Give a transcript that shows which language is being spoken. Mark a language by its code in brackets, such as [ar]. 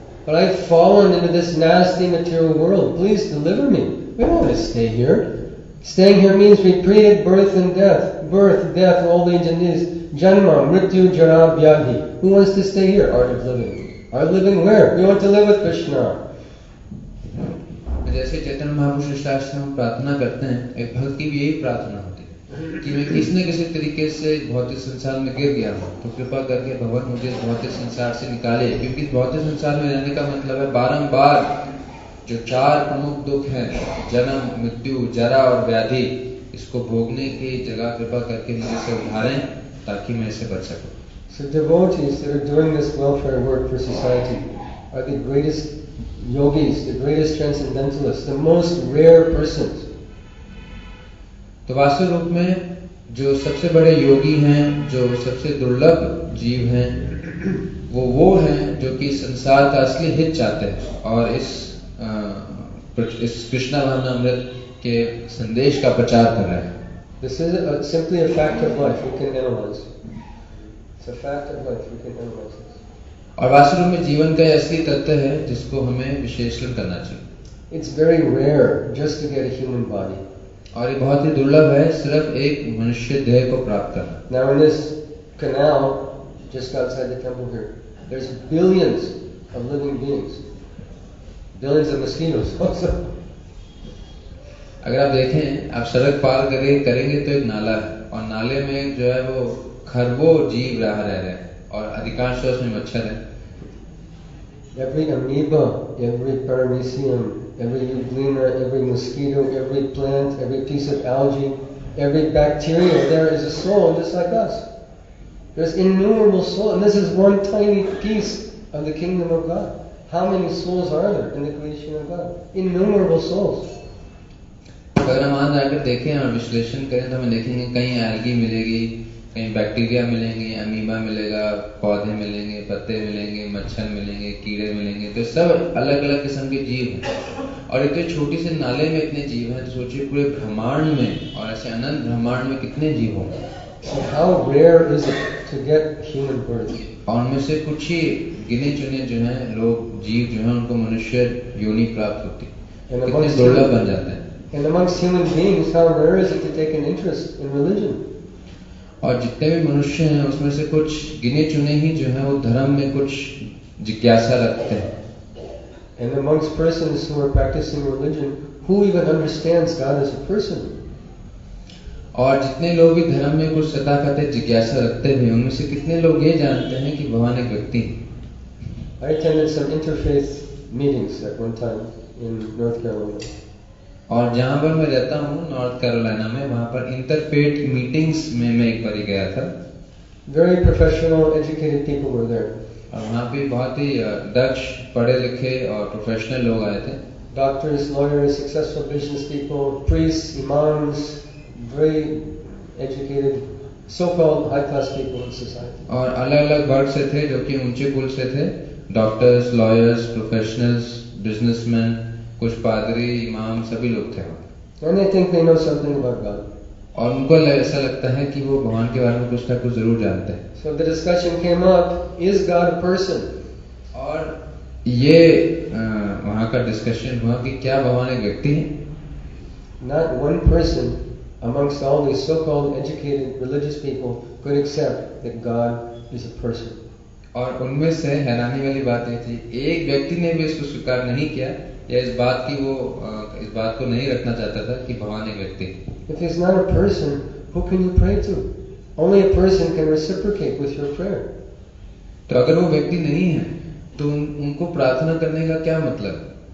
[en] But I've fallen into this nasty material world. Please deliver me. We don't want to stay here. Staying here means repeated birth and death. Birth, death, old age and this. Janma, Mrityu, Jara, Vyadhi. Who wants to stay here? Art of living. Art of living where? We want to live with Krishna. [hi] जैसे चैतन्य महापुरुष शिष्टाचार में प्रार्थना करते हैं एक भक्त की भी यही प्रार्थना होती है कि मैं किसी न किसी तरीके से भौतिक संसार में गिर गया हूँ तो कृपा करके भगवान मुझे भौतिक संसार से निकाले क्योंकि भौतिक संसार में रहने का मतलब है बारंबार जो चार प्रमुख दुख हैं जन्म मृत्यु जरा और व्याधि इसको भोगने की जगह कृपा करके मुझे इसे उभारें ताकि मैं इसे बच सकूं [en] So devotees that are doing this welfare work for society are the greatest yogis, the greatest transcendentalists, the most rare persons. [hi] तो वास्तव रूप में जो सबसे बड़े योगी हैं, जो सबसे दुर्लभ जीव हैं, वो हैं जो कि संसार का असली हित चाहते हैं और इस कृष्णा भावनामृत के संदेश का प्रचार कर रहे हैं. [en] This is simply a fact of life. We can analyze. It's a fact of life. We can analyze. [hi] और वास्तव रूप में जीवन का ऐसी तत्व है जिसको हमें विश्लेषण करना चाहिए [en] It's very rare just to get a human body. [hi] और ये बहुत ही दुर्लभ है सिर्फ एक मनुष्य देह को प्राप्त करना [en] Now in this canal, just outside the temple here, there's billions of living beings. Billions of mosquitoes also. [hi] अगर आप देखें आप सड़क पार करेंगे तो एक नाला है और नाले में जो है वो खरबों जीव रह रहे हैं और अधिकांश उसमें मच्छर है [en] Every amoeba, every paramecium, every euglena, every mosquito, every plant, every piece of algae, every bacteria, there is a soul just like us. There's innumerable souls, and this is one tiny piece of the kingdom of God. How many souls are there in the creation of God? Innumerable souls. [hi] अगर हम आज आकर देखें और विश्लेषण करें तो हमें देखेंगे कहीं algae मिलेगी कहीं बैक्टीरिया मिलेंगे अमीबा मिलेगा पौधे मिलेंगे पत्ते मिलेंगे मच्छर मिलेंगे कीड़े मिलेंगे तो सब अलग अलग किस्म के जीव हैं और इतने छोटे से नाले में इतने जीव हैं तो सोचिए पूरे ब्रह्मांड में और ऐसे अनंत ब्रह्मांड में कितने जीव होंगे [en] So how rare is it to get human birth. [hi] और में से कुछ ही गिने चुने जो हैं लोग जीव जो हैं उनको मनुष्य योनि प्राप्त होती कितने दुर्लभ बन जाते हैं. [en] And amongst human beings, how rare is it to take an interest in religion? [hi] और जितने भी मनुष्य हैं उसमें से कुछ गिने चुने ही जो हैं वो धर्म में कुछ जिज्ञासा रखते हैं. [en] And amongst persons who are practicing religion, who even understands God as a person? [hi] और जितने लोग भी धर्म में कुछ सताकते जिज्ञासा रखते हैं उनमें से कितने लोग ये जानते हैं कि भगवान एक व्यक्ति हैं. [en] I attended some interfaith meetings at one time in North Carolina. [hi] और जहाँ पर मैं रहता हूँ नॉर्थ कैरोलिना में वहाँ पर इंटरफेथ मीटिंग्स में मैं एक बार गया था. [en] Very professional, educated people were there. [hi] और वहाँ पे बहुत ही दक्ष पढ़े लिखे और प्रोफेशनल लोग आए थे. [en] Doctors, lawyers, successful business people, priests, imams, very educated, so-called high-class people in society. [hi] और अलग-अलग वर्ग से थे जो कि ऊंचे कुल से थे. [en] Doctors, lawyers, professionals, businessmen, [hi] कुछ पादरी इमाम सभी लोग थे. [en] And I think they know something about God. [hi] और उनको ऐसा लगता है कि वो भगवान के बारे में कुछ ना कुछ जरूर जानते हैं. [en] So the discussion came up, is God a person? [hi] और ये वहाँ का discussion हुआ कि क्या भगवान एक व्यक्ति है? [en] Not one person amongst all these so-called educated religious people could accept that God is a person. [hi] और उनमें से हैरानी वाली बात ये थी, एक व्यक्ति ने भी इसको स्वीकार नहीं किया या इस बात की वो इस बात को नहीं रखना चाहता था कि भगवान एक व्यक्ति. [en] If he's not a person, who can you pray to? Only a person can reciprocate with your prayer. [hi] तो अगर वो व्यक्ति नहीं है तो उनको प्रार्थना करने का क्या मतलब?